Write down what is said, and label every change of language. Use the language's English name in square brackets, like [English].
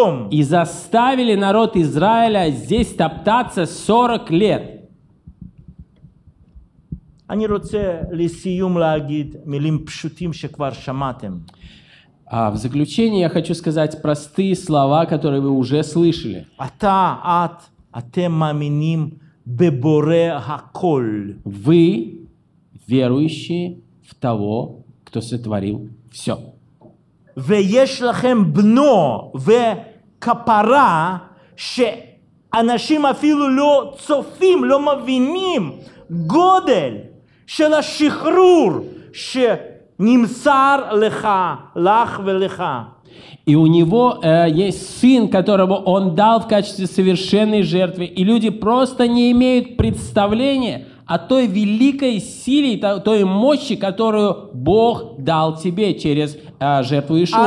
[Russian] И заставили народ Израиля здесь топтаться 40 лет. [Hebrew] אני רוצה לסיום להגיד מילים פשוטים שכבר שמעתם. [Russian] В заключение я хочу сказать простые слова, которые вы уже слышали. [Hebrew] אתה, את, אתם מאמינים בבורא הכל. [Russian] Вы верующие в того, кто сотворил все. [Hebrew] ויש לכם בנו וכפרה שאנשים אפילו לא צופים, לא מבינים גודל. של השחרור שנמסר לך, לך ולך. [Russian] И у него есть сын, которого он дал в качестве совершенной жертвы. И люди просто не имеют представления о той великой силе, той мощи, которую Бог дал тебе через жертву Иешуа.